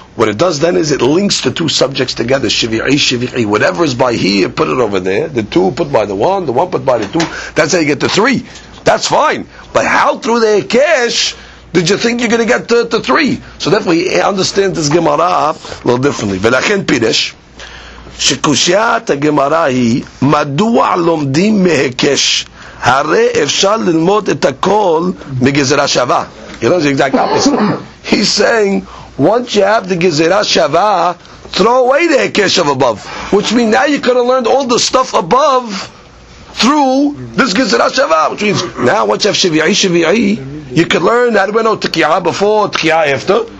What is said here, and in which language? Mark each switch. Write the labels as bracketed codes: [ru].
[en] What it does then is it links the two subjects together. Shavi'i, Shavi'i. Whatever is by here, put it over there. The two put by the one put by the two. That's how you get to three. That's fine. But how through the Hekesh did you think you're going to get to three? So therefore, he understands this Gemara a little differently. [he] Velachen Pidesh. שקושיית הגמרא היא מדוע לומדים מהקש הרי אפשר ללמוד את הכל מגזרה שווה. [en] You know, it's the exact opposite. He's saying, once you have the גזרה שווה, throw away the הקש of above. Which means now you could have learned all the stuff above through this גזרה שווה. Which means now once you have שביעי שביעי, you could learn that we know תקיעה before, תקיעה after.